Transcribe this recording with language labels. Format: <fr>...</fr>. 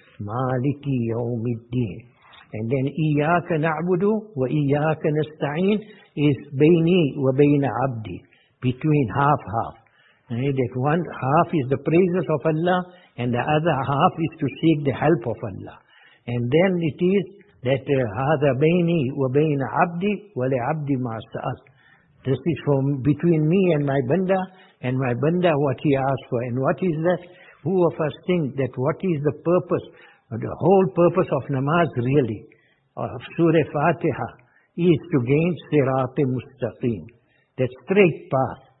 <ar>Maliki Yawmiddin.</ar> <en>And then,</en> <ar>Iyaka Na'budu wa Iyaka Nasta'een</ar> <en>is</en> <ar>Baini wa Baina Abdi.</ar> <en>Between half-half. That one half is the praises of Allah and the other half is to seek the help of Allah. And then it is that</en> <ar>هَذَا بَيْنِي وَبَيْنَ عَبْدِي وَلَي عَبْدِي مَا سَأَلْ.</ar> <en>This is from between me and my banda what he asked for. And what is that? Who of us think that what is the purpose, the whole purpose of namaz really, of Surah Fatiha, is to gain sirat mustaqim, that straight path.</en>